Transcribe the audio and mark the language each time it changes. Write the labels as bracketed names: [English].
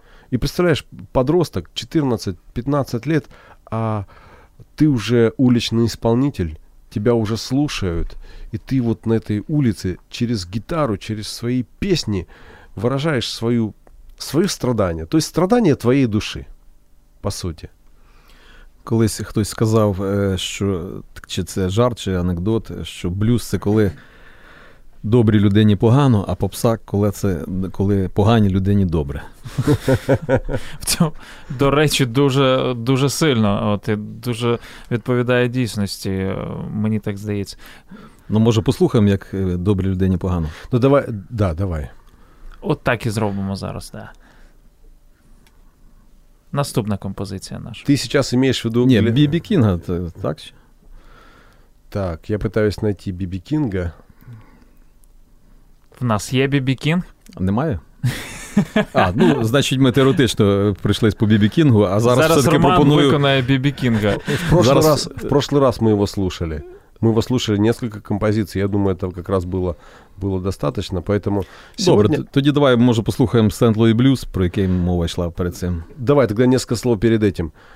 [Russian] И представляешь, подросток, 14-15 лет, а ты уже уличный исполнитель, тебя уже слушают, и ты вот на этой улице через гитару, через свои песни выражаешь свое страдание. То есть страдание твоей души, по сути. [Ukrainian] Колись хтось сказав, що чи це жарт, чи анекдот, що блюз – це коли добрі людині погано, а попса – коли це коли погані людині добре. В цьому, до речі, дуже, дуже сильно. От, і дуже відповідає дійсності, мені так здається. Ну, може, послухаємо, як добрі людині погано? Ну, давай, да, давай. От так і зробимо зараз, так. Да. Наступна композиція наша. Ти зараз маєш в виду... Ні, Бібі Кінга, так? Так, я намагаюся знайти Бібі Кінга. В нас є Бібі Кінг? Немає. А, ну, значить, ми теоретично прийшлись по Бібі Кінгу, а зараз, зараз все-таки пропоную... Зараз Роман виконає Бібі Кінга. [Russian] В прошлый раз ми його слушали. [Ukrainian] Ми його слушали кілька композицій. Я думаю, це якраз було... Було достатньо, поэтому... Добре, сегодня... тоді давай, може, послухаємо Сент-Луї блюз, про який мова йшла перед цим. Давай, тоді кілька слов перед этим.